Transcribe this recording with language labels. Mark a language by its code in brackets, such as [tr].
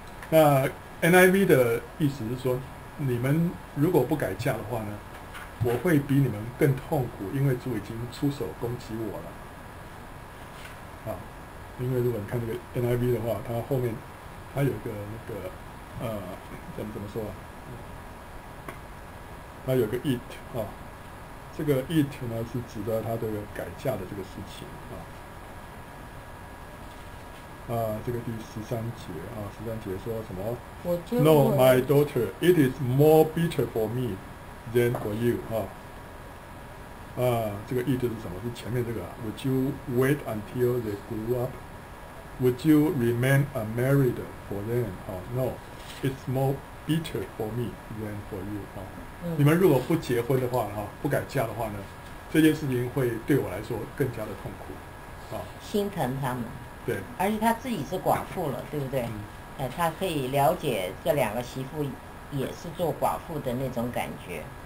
[zh] 那 NIV 的意思是说，你们如果不改嫁的话呢，我会比你们更痛苦，因为主已经出手攻击我了。啊，因为如果你看这个 NIV 的话，它后面它有一个那个怎么说啊？它有个 it 啊。” 这个 it 呢是指的他这个改嫁的这个事情啊。啊，这个第十三节啊，十三节说什么？我就 [en] No, my daughter, it is more bitter for me than for you 啊。 [zh] 啊，这个意思是什么？是前面这个、啊、 [en] Would you wait until they grew up? Would you remain unmarried for them?、啊、no, it's more bitter for me than for you、啊嗯、 [zh] 你们如果不结婚的话、啊、不改嫁的话呢，这件事情会对我来说更加的痛苦、啊、心疼他们。对，而且他自己是寡妇了，对不对、嗯他可以了解这两个媳妇也是做寡妇的那种感觉。